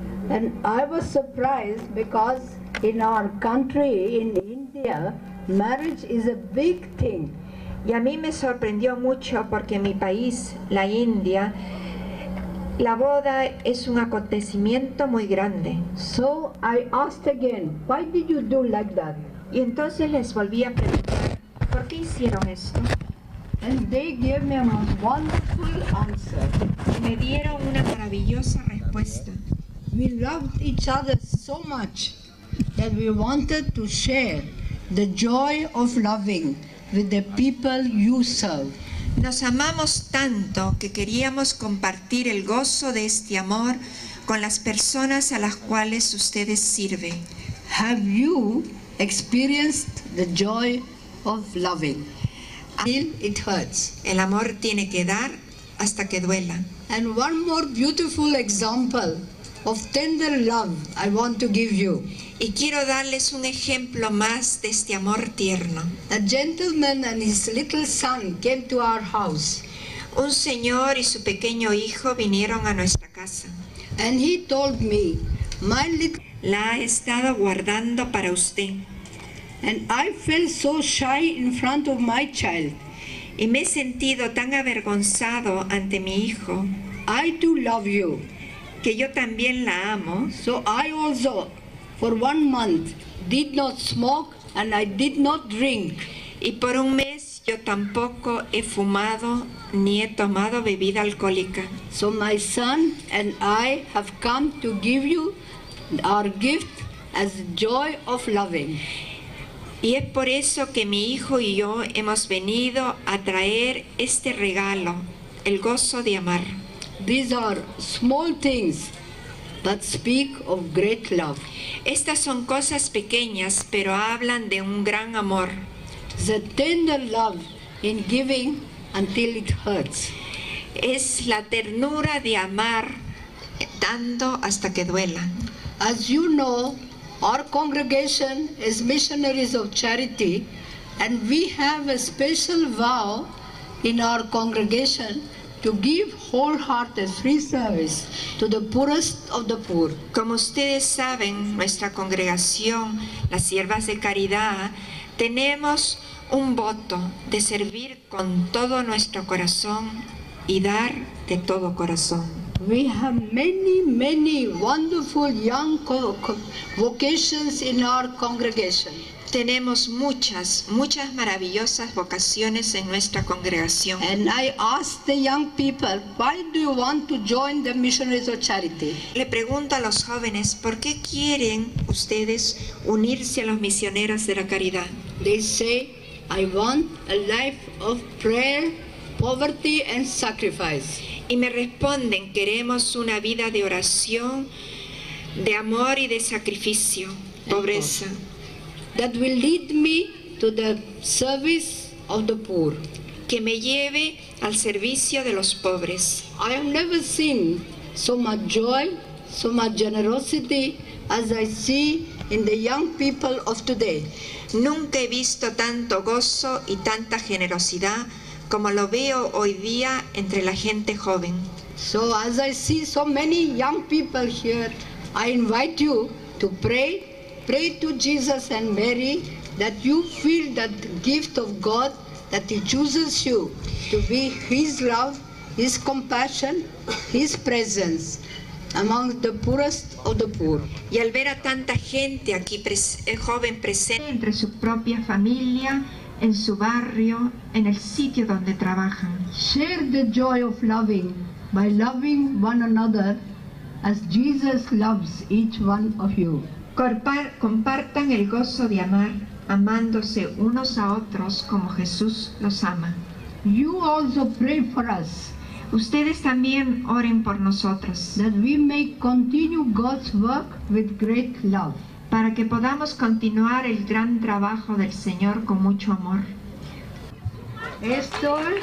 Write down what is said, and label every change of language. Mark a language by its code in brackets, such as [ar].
[en] And I was surprised because in our country, in India, marriage is a big thing. [es] Y a mí me sorprendió mucho porque en mi país, la India, la boda es un acontecimiento muy grande. [en] So I asked again, why did you do like that? [es] Y entonces les volví a preguntar, ¿por qué hicieron esto? [en] And they gave me a wonderful answer. [es] Me dieron una maravillosa respuesta. [en] We loved each other so much that we wanted to share the joy of loving with the people you serve. [es] Nos amamos tanto que queríamos compartir el gozo de este amor con las personas a las cuales ustedes sirven. [en] Have you experienced the joy of loving? Until it hurts. [es] El amor tiene que dar hasta que duela. [en] And one more beautiful example of tender love I want to give you. [es] Y quiero darles un ejemplo más de este amor tierno. [en] A gentleman and his little son came to our house. [es] Un señor y su pequeño hijo vinieron a nuestra casa. [en] And he told me, my little... [es] La ha estado guardando para usted. [en] And I felt so shy in front of my child. [es] Y me he sentido tan avergonzado ante mi hijo. [en] I do love you. [es] Que yo también la amo. [en] So I also... For 1 month, did not smoke and I did not drink. [es] Y por un mes yo tampoco he fumado ni he tomado bebida alcohólica. [en] So my son and I have come to give you our gift as joy of loving. [es] Y es por eso que mi hijo y yo hemos venido a traer este regalo, el gozo de amar. [en] These are small things. That speak of great love. [es] Estas son cosas pequeñas, pero hablan de un gran amor. [en] The tender love in giving until it hurts. [es] Es la ternura de amar dando hasta que duela. [en] As you know, our congregation is missionaries of charity, and we have a special vow in our congregation to give wholehearted free service to the poorest of the poor. [es] Como ustedes saben, nuestra congregación, las Siervas de Caridad, tenemos un voto de servir con todo nuestro corazón y dar de todo corazón. [en] We have many, many wonderful young vocations in our congregation. [es] Tenemos muchas, muchas maravillosas vocaciones en nuestra congregación. [en] And I asked the young people, why do you want to join the Missionaries of Charity? [es] Le pregunto a los jóvenes, ¿por qué quieren ustedes unirse a los misioneros de la caridad? [en] They say, I want a life of prayer, poverty and sacrifice. [es] Y me responden, queremos una vida de oración, de amor y de sacrificio, pobreza. [en] That will lead me to the service of the poor. [es] Que me lleve al servicio de los pobres. [en] I have never seen so much joy, so much generosity as I see in the young people of today. [es] Nunca he visto tanto gozo y tanta generosidad como lo veo hoy día entre la gente joven. [en] So as I see so many young people here, I invite you to pray. Pray to Jesus and Mary that you feel that gift of God that He chooses you to be His love, His compassion, His presence among the poorest of the poor. [es] Y al ver a tanta gente aquí joven presente entre su propia familia, en su barrio, en el sitio donde trabajan. [en] Share the joy of loving by loving one another as Jesus loves each one of you. [es] Compartan el gozo de amar, amándose unos a otros como Jesús los ama. [en] You also pray for us. [es] Ustedes también oren por nosotros. [en] That we may continue God's work with great love. [es] Para que podamos continuar el gran trabajo del Señor con mucho amor. Esto.